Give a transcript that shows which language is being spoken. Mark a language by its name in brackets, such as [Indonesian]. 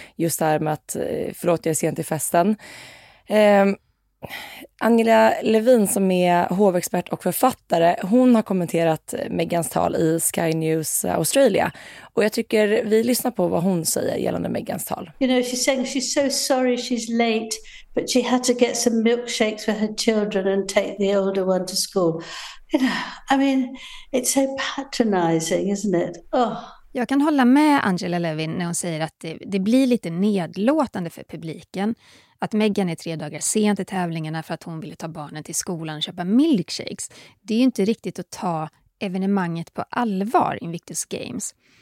[Swedish] Just det här med att, förlåt, jag är sent till festen. Angela Levin som är hovexpert och författare, hon har kommenterat Meghans tal i Sky News Australia. Och jag tycker vi lyssnar på vad hon säger gällande Meghans tal. [English] You know, she's saying she's so sorry she's late, but she had to get some milkshakes for her children and take the older one to school. You know, I mean, it's so patronizing, isn't it? Oh. [Swedish] Jag kan hålla med Angela Levin när hon säger att det blir lite nedlåtande för publiken att Meghan är 3 dagar sent i tävlingarna för att hon ville ta barnen till skolan och köpa milkshakes. Det är ju inte riktigt att ta evenemanget på allvar, Invictus Games.